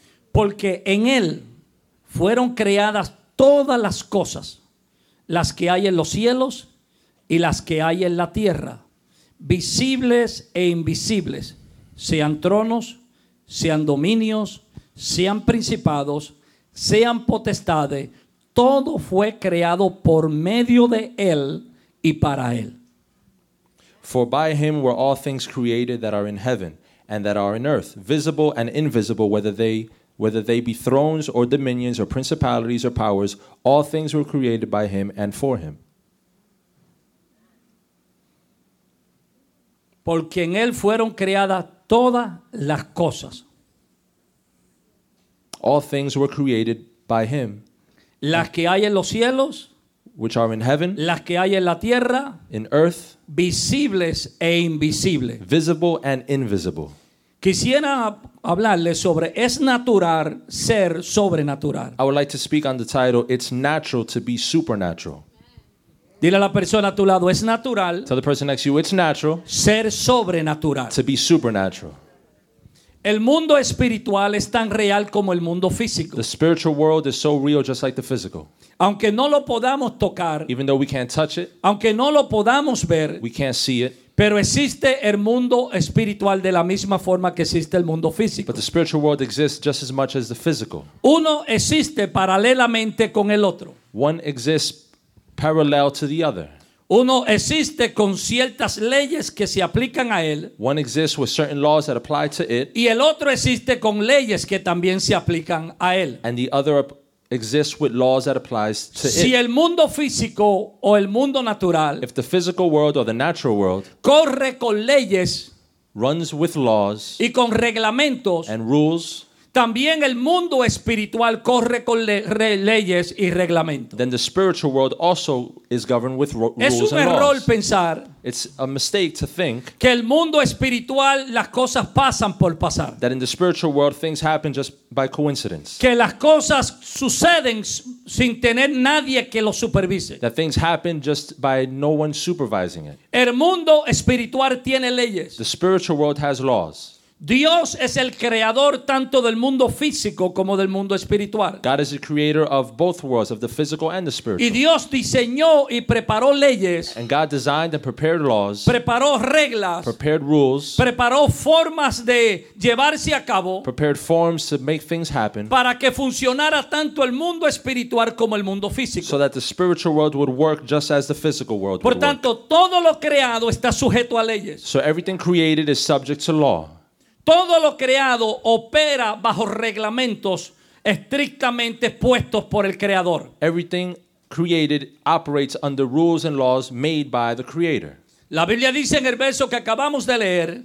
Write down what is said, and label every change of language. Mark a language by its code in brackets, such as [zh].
[es] Porque en él fueron creadas todas las cosas, las que hay en los cielos y las que hay en la tierra, visibles e invisibles, sean tronos, sean dominios, sean principados, sean potestades, todo fue creado por medio de él y para él. [en] For by him were all things created that are in heaven and that are in earth, visible and invisible, whether they be thrones or dominions or principalities or powers, all things were created by him and for him. [es] Porque en él fueron creadas todas las cosas. [en] All things were created by him. [es] Las que hay en los cielos, [en] which are in heaven, [es] las que hay en la tierra, [en] in earth, [es] visibles e invisibles, [en] visible and invisible. [es] Quisiera hablarles sobre es natural ser sobrenatural. [en] I would like to speak on the title, it's natural to be supernatural. [es] Dile a la persona a tu lado, es natural. [en] Tell the person next to you, it's natural. [es] Ser sobrenatural. [en] To be supernatural. [es] El mundo espiritual es tan real como el mundo físico. [en] The spiritual world is so real just like the physical. [es] Aunque no lo podamos tocar. [en] Even though we can't touch it. [es] Aunque no lo podamos ver. [en] We can't see it. [es] Pero existe el mundo espiritual de la misma forma que existe el mundo físico. [en] But the spiritual world exists just as much as the physical. [es] Uno existe paralelamente con el otro. [en] One exists parallel to the other. [es] Uno existe con ciertas leyes que se aplican a él. [en] One exists with certain laws that apply to it. [es] Y el otro existe con leyes que también se aplican a él. [en] And the other exists with laws that applies to [es] it. Si el mundo físico o el mundo natural, [en] if the physical world or the natural world, [es] corre con leyes, [en] runs with laws, [es] y con reglamentos, [en] and rules, [es] también el mundo espiritual corre con leyes y reglamentos. [en] Then the spiritual world also is governed with rules and laws. [es] Es un error pensar. [en] It's a mistake to think [es] que el mundo espiritual las cosas pasan por pasar. [en] That in the spiritual world things happen just by coincidence. [es] Que las cosas suceden sin tener nadie que lo supervise. [en] That things happen just by no one supervising it. [es] El mundo espiritual tiene leyes. [en] The spiritual world has laws. [es] Dios es el creador tanto del mundo físico como del mundo espiritual. [en] God is the creator of both worlds, of the physical and the spiritual. [es] Y Dios diseñó y preparó leyes. [en] And God designed and prepared laws. [es] Preparó reglas. [en] Prepared rules. [es] Preparó formas de llevarse a cabo. [en] Prepared forms to make things happen. [es] Para que funcionara tanto el mundo espiritual como el mundo físico. [en] So that the spiritual world would work just as the physical world would work. [es] Por tanto, todo lo creado está sujeto a leyes. [en] So everything created is subject to law. [es] Todo lo creado opera bajo reglamentos estrictamente puestos por el creador. [en] Everything created operates under rules and laws made by the creator. [es] La Biblia dice en el verso que acabamos de leer,